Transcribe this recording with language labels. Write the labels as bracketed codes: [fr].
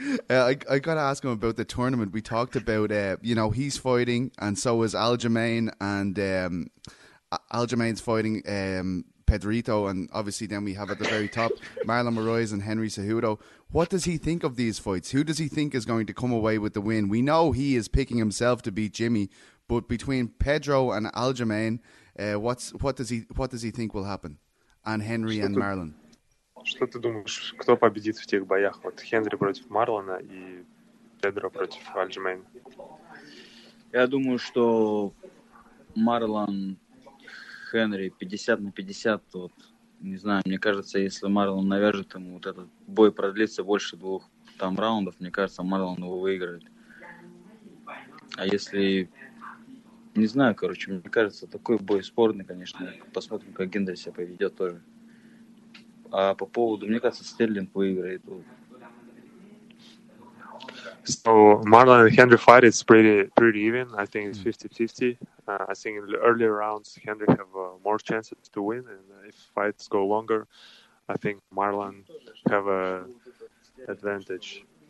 [en] I got to ask him about the tournament. We talked about, you know, he's fighting, and so is Aljamain, and Aljamain's fighting Pedrito, and obviously then we have at the very top Marlon Moraes and Henry Cejudo. What does he think of these fights? Who does he think is going to come away with the win? We know he is picking himself to beat Jimmy, but between Pedro and Aljamain, what does he think will happen? And Henry and Marlon. [ru] Что ты думаешь, кто победит в тех боях? Вот Хенри против Марлона и Педро против Альджимейна. Я думаю, что Марлон Хенри 50-50. Вот, не знаю, мне кажется, если Марлон навяжет ему, вот этот бой продлится больше 2 там раундов, мне кажется, Марлон его выиграет. А если... Не знаю, короче, мне кажется, такой бой спорный, конечно. Посмотрим, как Гендри себя поведет тоже. А по поводу, мне кажется, Стерлинг выиграет. [en] So Marlon and Henry fight, it's pretty even. I think it's 50-50. I think in the earlier rounds, Henry have more chances to win. And if fights go longer, I think Marlon have an advantage.